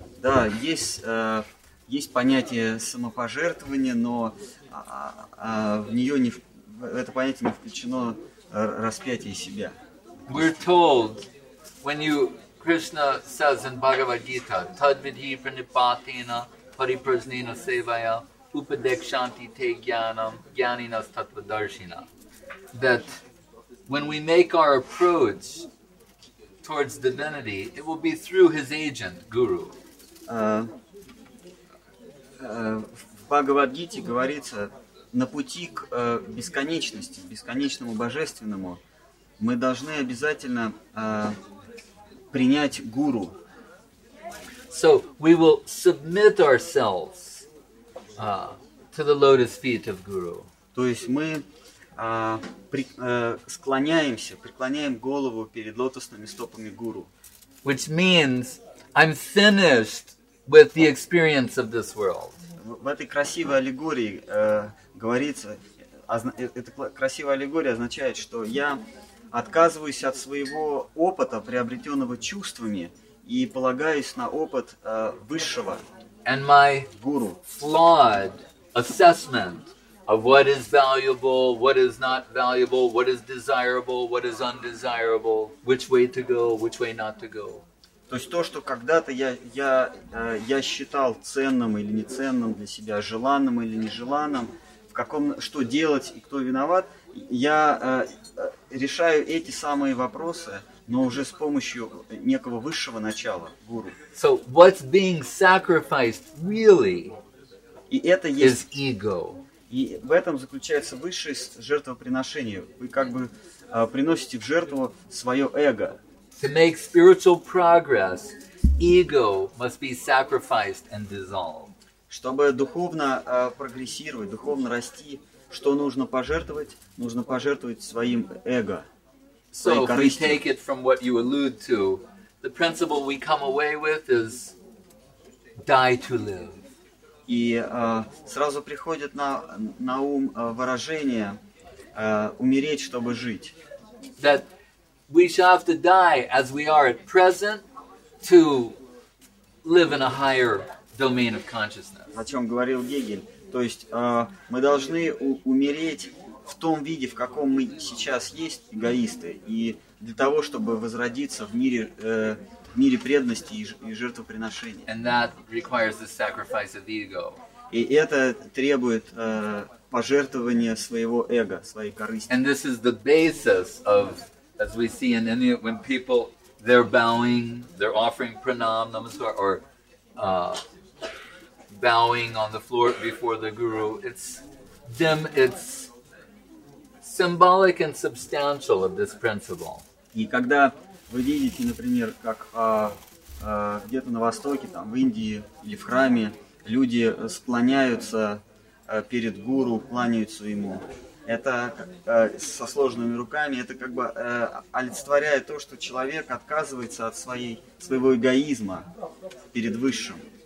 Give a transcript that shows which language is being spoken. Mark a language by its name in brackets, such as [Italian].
[Russian] Да, есть есть понятие самопожертвования, но в неё не в это понятие не включено распятие себя. [English] We're told when you Krishna says in Bhagavad Gita, [Sanskrit] Tad vidhi pranipatena pariprasnena sevaya upadekshanti te jnanam jnaninas tatvadarshina, [English] that when we make our approach towards divinity, it will be through his agent, Guru. [Russian] В Бхагавад Гите говорится, на пути к бесконечности, бесконечному божественному, мы должны обязательно принять гуру. [English] So we will submit ourselves to the lotus feet of guru. [Russian] То есть мы преклоняем голову перед лотосными стопами гуру. [English] Which means I'm finished with the experience of this world. [Russian] В этой красивой аллегории говорится, эта красивая аллегория означает, что я отказываюсь от своего опыта, приобретенного чувствами, и полагаюсь на опыт высшего [English] and my [Russian] гуру. [English] Flawed assessment of what is valuable, what is not valuable, what is desirable, what is undesirable, which way to go, which way not to go. [Russian] То есть то, что когда-то я считал ценным или неценным для себя, желанным или нежеланным, в каком что делать и кто виноват, я решаю эти самые вопросы, но уже с помощью некого высшего начала, гуру. [English] So what's being sacrificed really is ego. [Russian] И в этом заключается высшее жертвоприношение. Вы как бы приносите в жертву свое эго. [English] To make spiritual progress, ego must be sacrificed and dissolved. [Russian] Чтобы духовно прогрессировать, духовно расти, что нужно пожертвовать? Нужно пожертвовать своим эго. [English] So if we take it from what you allude to, the principle we come away with is die to live. [Russian] И сразу приходит на ум выражение умереть, чтобы жить. [English] That we shall have to die as we are at present to live in a higher domain of consciousness. [Russian] О чем говорил Гегель. То есть мы должны умереть в том виде, в каком мы сейчас есть, эгоисты, и для того, чтобы возродиться в мире преданности и жертвоприношения. [English] And that requires the sacrifice of ego. [Russian] И это требует пожертвования своего эго, своей корысти. [English] And this is the basis of, as we see in India, when people, they're bowing, they're offering pranam, namaskar, or bowing on the floor before the guru, it's symbolic and substantial of this principle. [Russian] И когда вы видите, например, как где-то на востоке, там в Индии или в храме, люди склоняются перед гуру, кланяются ему. Это со сложными руками, это как бы олицетворяет то, что человек отказывается от своего эгоизма перед высшим.